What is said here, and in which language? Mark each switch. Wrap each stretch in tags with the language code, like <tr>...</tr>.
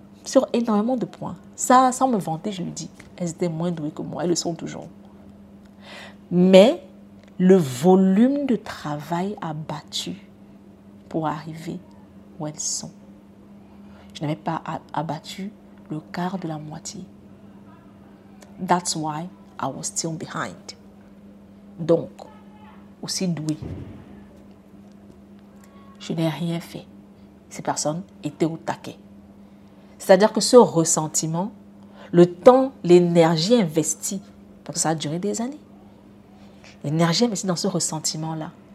<fr>Sur énormément de points. Ça, sans me vanter, je lui dis, elle était moins douée que moi. Elles le sont toujours. Mais le volume de travail a battu pour arriver où elles sont. Je n'avais pas abattu le quart de la moitié.</fr> <en>That's why I was still behind.</en> <fr>Donc, aussi douée, je n'ai rien fait. Ces personnes étaient au taquet. C'est-à-dire que ce ressentiment, le temps, l'énergie investie, parce que ça a duré des années, l'énergie investie dans ce ressentiment-là,</fr>